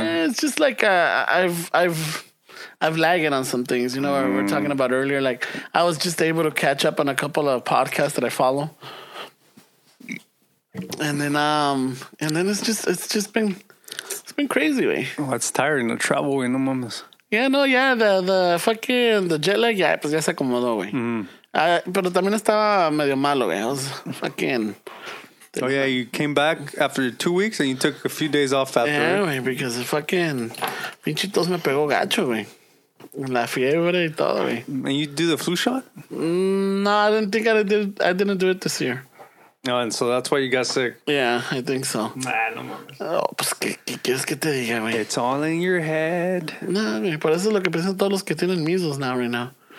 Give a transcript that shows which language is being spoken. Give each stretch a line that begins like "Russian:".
English: It's just like I've lagged on some things, you know, we were talking about earlier. Like, I was just able to catch up on a couple of podcasts that I follow. And then it's just been crazy, güey. Oh, that's tiring to travel, güey,
Spanish: no mames.
English: Yeah, no, yeah, the fucking the jet lag, yeah,
Spanish: pues ya se acomodó, güey. Pero también estaba medio malo, güey.
English: I was fucking... Oh, yeah, you came back after 2 weeks and you took a few days off after.
Spanish: Yeah, güey,
English: because the fucking...
Spanish: Pinche tos me pegó gacho, güey. La fiebre y todo, güey.
English: And you do the flu shot? No, I didn't think I didn't do it this year. Oh, and so that's why you got sick. Yeah, I think so.
Spanish: Nah, no mames. Oh, pues, ¿qué quieres que te diga, güey?
English: It's all in your head.
Spanish: No, güey, por eso es lo que piensan todos los que tienen
English: measles now, right now.